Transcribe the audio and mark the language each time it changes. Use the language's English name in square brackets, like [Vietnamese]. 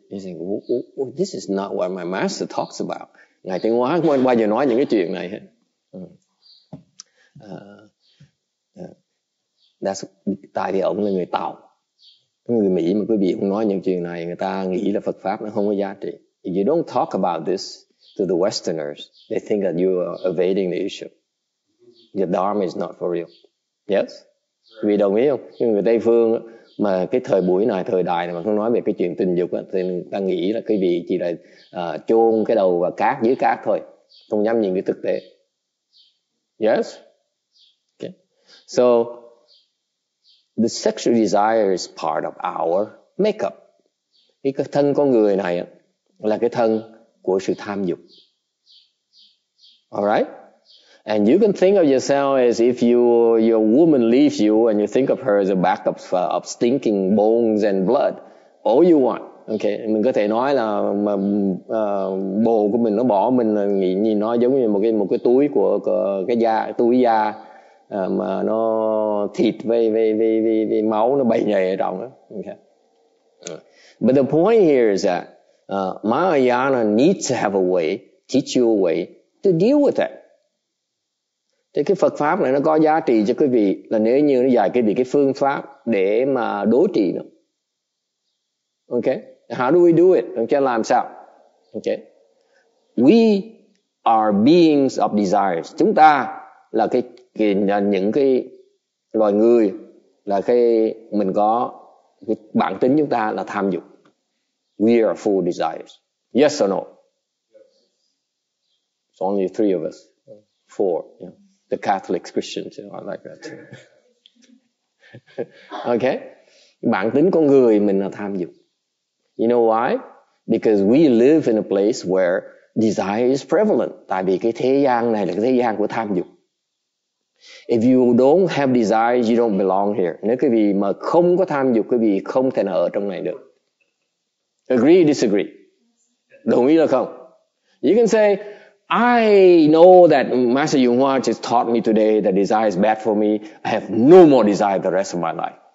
[English] He said, this is not what my master talks about. [Vietnamese] Ngài Tiên Hóa không bao giờ nói những cái chuyện này hết. [English] That's [Vietnamese] tại vì ông là người Tàu. Người Mỹ mà quý vị không nói những chuyện này, người ta nghĩ là Phật Pháp nó không có giá trị. [English] If you don't talk about this to the Westerners, they think that you are evading the issue. The Dharma is not for real. Yes? [Vietnamese] Quý vị đồng ý không? Nhưng người Tây Phương mà cái thời buổi này, thời đại này mà không nói về cái chuyện tình dục á, thì người ta nghĩ là quý vị chỉ là chôn cái đầu và cát dưới cát thôi. Không dám nhìn cái thực tế. [English] Yes? Okay. So, the sexual desire is part of our makeup. [Vietnamese] Cái thân con người này là cái thân của sự tham dục. [English] Alright? And you can think of yourself as if you, your woman leaves you and you think of her as a bag of stinking bones and blood. All you want. [Vietnamese] Okay, mình có thể nói là mà bồ của mình nó bỏ mình là nhìn nó giống như một cái túi của cái da, túi da mà nó thịt với máu nó bầy nhầy ở trong đó. [English] Okay. But the point here is that Mahayana needs to have a way, teach you a way to deal with it. [Vietnamese] Thế cái Phật Pháp này nó có giá trị cho quý vị là nếu như nó dạy quý vị cái phương pháp để mà đối trị nó. [English] Okay. How do we do it? Okay, [Vietnamese] làm sao? [English] Okay. We are beings of desires. [Vietnamese] Chúng ta là những cái loài người là khi mình có cái bản tính chúng ta là tham dục. [English] We are full desires. Yes or no? It's only three of us. Four. Yeah. The Catholics, Christians, you know, I like that too. Okay. [Vietnamese] Bản tính con người mình là tham dục. [English] You know why? Because we live in a place where desire is prevalent. [Vietnamese] Tại vì cái thế gian này là cái thế gian của tham dục. [English] If you don't have desire, you don't belong here. [Vietnamese] Nếu quý vị mà không có tham dục, quý vị không thể nào ở trong này được. [English] Agree or disagree? [Vietnamese] Đồng ý là không? [English] You can say, I know that Master Yung Hua just taught me today that desire is bad for me. I have no more desire the rest of my life.